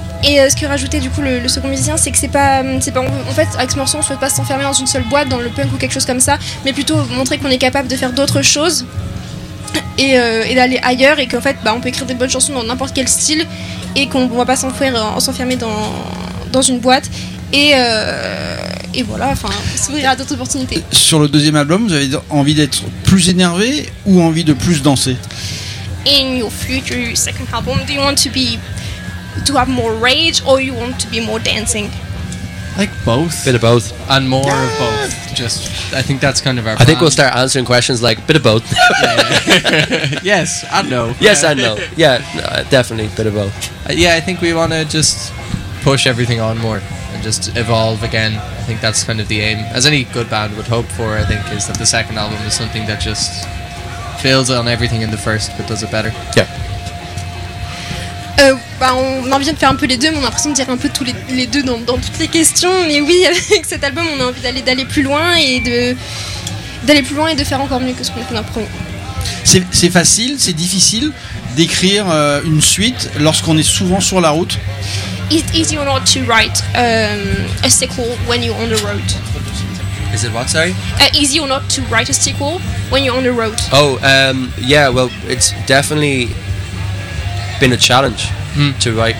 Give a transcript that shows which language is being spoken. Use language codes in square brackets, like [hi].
[fr] Et ce que rajoutait du coup le second musicien, c'est que c'est pas en fait, avec ce morceau, on ne souhaite pas s'enfermer dans une seule boîte, dans le punk ou quelque chose comme ça, mais plutôt montrer qu'on est capable de faire d'autres choses et d'aller ailleurs, et qu'en fait, on peut écrire des bonnes chansons dans n'importe quel style et qu'on ne va pas s'enfermer dans une boîte. Et voilà, enfin, s'ouvrir à d'autres opportunités. Sur le deuxième album, vous avez envie d'être plus énervé ou envie de plus danser? [en] In your future second album, do you want to have more rage or you want to be more dancing? Like both. Bit of both. And more of both. Just, I think that's kind of our plan. I think we'll start answering questions like, bit of both. Yes and no. Yes and no. Yeah, no, definitely, bit of both. Yeah, I think we want to just push everything on more. Just evolve again. I think that's kind of the aim, as any good band would hope for. I think is that the second album is something that just fails on everything in the first, but does it better. Yeah. [fr] On a envie de faire un peu les deux, mais on a l'impression de dire un peu tous les deux dans toutes les questions. Mais oui, avec cet album, on a envie d'aller plus loin et de faire encore mieux que ce qu'on a fait dans le premier. C'est facile, c'est difficile d'écrire une suite lorsqu'on est souvent sur la route. [en] Is it easy or not to write a sequel when you're on the road? Is it what, sorry? Easy or not to write a sequel when you're on the road? Well, it's definitely been a challenge to write.